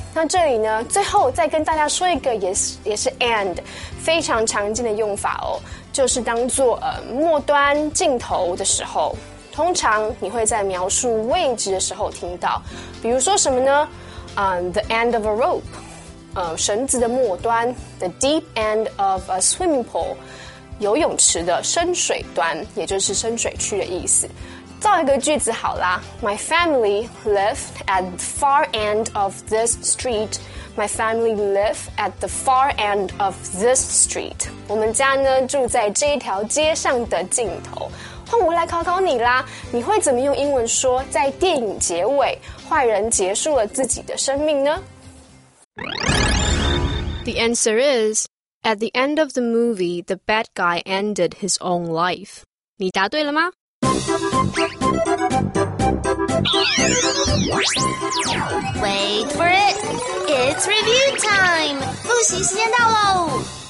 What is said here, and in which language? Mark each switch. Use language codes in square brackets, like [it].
[zh] 那这里呢，最后再跟大家说一个也是 and 非常常见的用法哦，就是当做末端尽头的时候，通常你会在描述位置的时候听到，比如说什么呢？ [en] The end of a rope， [zh] 绳子的末端 [en] ，the deep end of a swimming pool。 [zh] 游泳池的深水端，也就是深水区的意思。造一个句子好啦， [en] My family lived at the far end of this street. My family lived at the far end of this street. [zh] 我们家呢住在这一条街上的尽头。换我来考考你啦，你会怎么用英文说在电影结尾坏人结束了自己的生命呢？ [en] The answer is... At the end of the movie, the bad guy ended his own life. [zh] 你答对了吗？ [en] Wait for it! It's review time! [zh] 复习时间到喽！